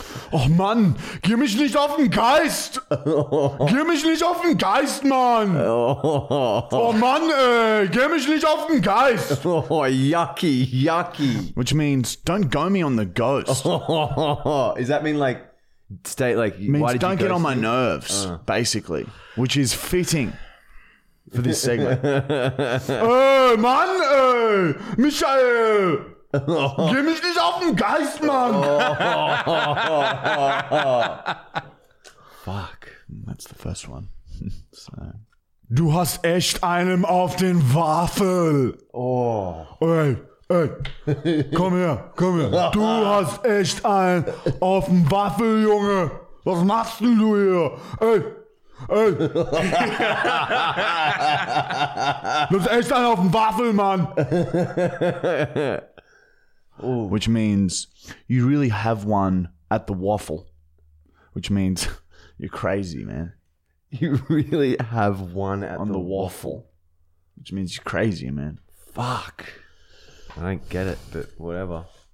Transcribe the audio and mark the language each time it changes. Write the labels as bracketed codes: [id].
[de] Oh Mann, geh mich nicht auf den Geist! Geh mich nicht auf den Geist, Mann! Oh Mann, geh mich nicht auf den Geist! [en] Oh, yucky, yucky. Which means, don't go me on the ghost. Does that mean like, stay like, means, why did don't you ghost get on my nerves, you? Basically. Which is fitting. For this segment. [de] Mann, Michael! Gib mich nicht auf den Geist, Mann! [en] Fuck. That's the first one. So. [de] Du hast echt einen auf den Waffel. Oh. Hey, hey. Komm her, komm her. Du hast echt einen auf den Waffel, Junge. Was machst denn du hier? Hey. Ey! Du hast echt einen auf den Waffel, Mann! Ooh. [en] Which means you really have one at the waffle. Which means you're crazy, man. You really have one at the waffle. Which means you're crazy, man. Fuck. I don't get it, but whatever.